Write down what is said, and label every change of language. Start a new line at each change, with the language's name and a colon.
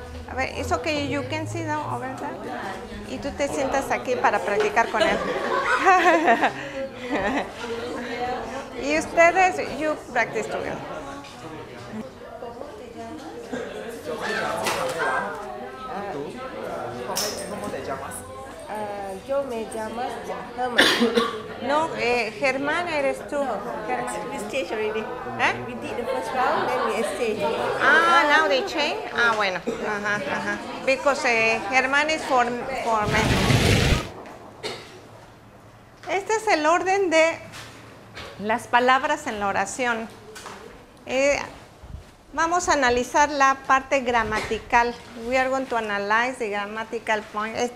Spanish: A ver, es ok,
English: you can sit down over there.
Spanish: Y tú te sientas aquí para practicar con él. Y ustedes,
English: you practice together.
Spanish: ¿Cómo te llamas? ¿Cómo te llamas? Yo me llamo Germán. No, Germán eres tú.
English: Germán, we stage already. Eh? We did the first round, then we stage. Ah, now they change?
Spanish: Ah, bueno. Ajá, ajá.
English: Because Germán is for me.
Spanish: Este es el orden de las palabras en la oración. Vamos a analizar la parte gramatical.
English: We are going to analyze the grammatical point.